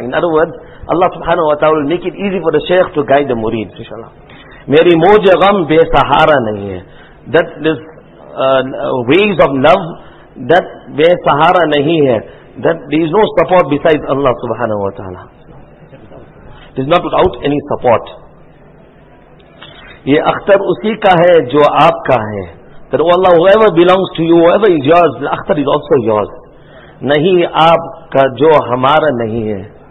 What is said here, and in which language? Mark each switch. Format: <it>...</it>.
<en>In other words, Allah subhanahu wa ta'ala will make it easy for the Shaykh to guide the murid, inshallah.</en> <ur>Meri moj gham be sahara nahi hai.</ur> <en>That this waves of love, that</en> <ur>be sahara nahi hai.</ur> <en>That there is no support besides Allah subhanahu wa ta'ala. It is not without any support.</en> <ur>یہ اختر اسی کا ہے جو آپ کا ہے.</ur> <en>That oh Allah, whoever belongs to you, whoever is yours, the akhtar is also yours.</en> <ur>نہیں آپ کا جو ہمارا نہیں ہے.</ur>